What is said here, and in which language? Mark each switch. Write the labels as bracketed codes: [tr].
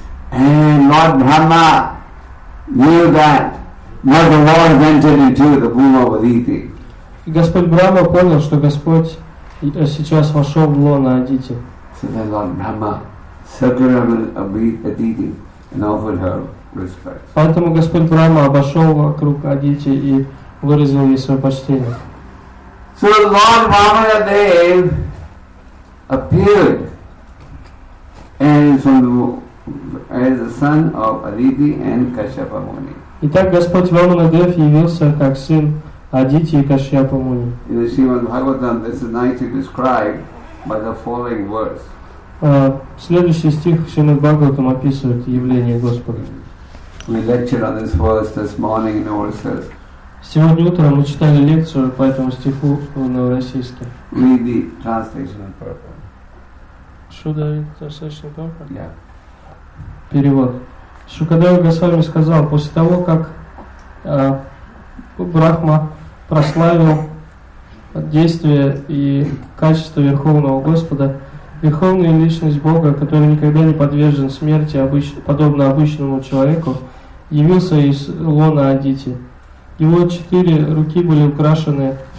[en] And Lord Brahma knew that now the Lord entered into the womb of Aditi. [ru] И Господь Брама понял, что Господь сейчас вошел в лоно Адити. [en] So then Lord Brahma circled Aditi and offered her respect. [ru] Поэтому Господь Брама обошел вокруг Адити и выразил ей свое почтение. [en] So Lord Brahmadev appeared as the son of Aditi and Kashyapa Muni. [ru] Итак, Господь Брамадев явился как сын Адити и Кашьяпа Муни. [en] In the Srimad Bhagavatam, this is nicely described by the following words. [ru] Следующий стих Шримад Бхагаватам описывает явление Господа. [en] We lectured on this verse this morning in Orissa. [ru] Сегодня утром мы читали лекцию по этому стиху на российском. [en] Read the translation in purport. Should I translation in purport? Yeah. [ru] Перевод. Шукадева Госвами сказал, после того, как Брахма прославил действие и качество Верховного Господа, Верховная Личность Бога, который никогда не подвержен смерти, подобно обычному человеку, явился из лона Адити. Его четыре руки были украшены